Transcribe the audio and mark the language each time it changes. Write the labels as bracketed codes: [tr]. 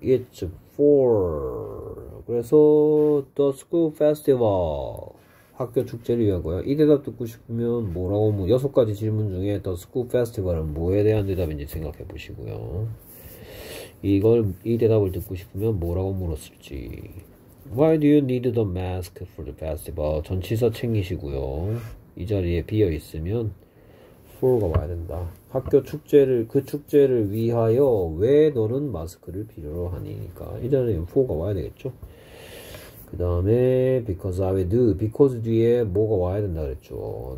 [en] It's for. [ko] 그래서, [en] the school festival. [ko] 학교 축제를 위한 거야. 이 대답 듣고 싶으면 뭐라고 뭐 여섯 가지 질문 중에 The School Festival은 뭐에 대한 대답인지 생각해 보시고요. 이 대답을 듣고 싶으면 뭐라고 물었을지. [en] Why do you need the mask for the festival? [ko] 전치사 챙기시고요. 이 자리에 비어 있으면 for가 와야 된다. 학교 축제를 그 축제를 위하여 왜 너는 마스크를 필요로 하니니까 이 자리에 for가 와야 되겠죠. 그 다음에 because I will do, because 뒤에 뭐가 와야 된다 그랬죠.